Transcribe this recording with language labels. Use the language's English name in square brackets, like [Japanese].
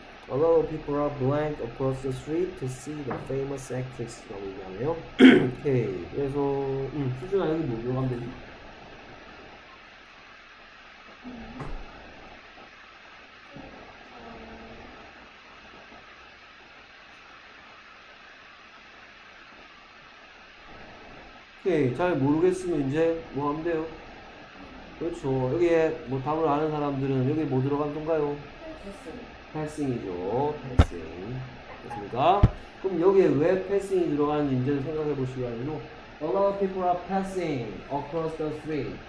[English] A lot of people are blank across the street to see the famous actress. [Korean] 라고 얘기하네요. 오케이. 그래서, 수준아, 여기 뭐 기억하면 되지? 오케이. 잘 모르겠으면 이제 뭐 하면 돼요? 그렇죠. 여기에 뭐 답을 아는 사람들은 여기 뭐 들어간 건가요? 패싱이죠. 패싱. 됐습니까? 그럼 여기에 왜 패싱이 들어가는지 이제 생각해 보시기 바랍니다. [English] A lot of people are passing across the street.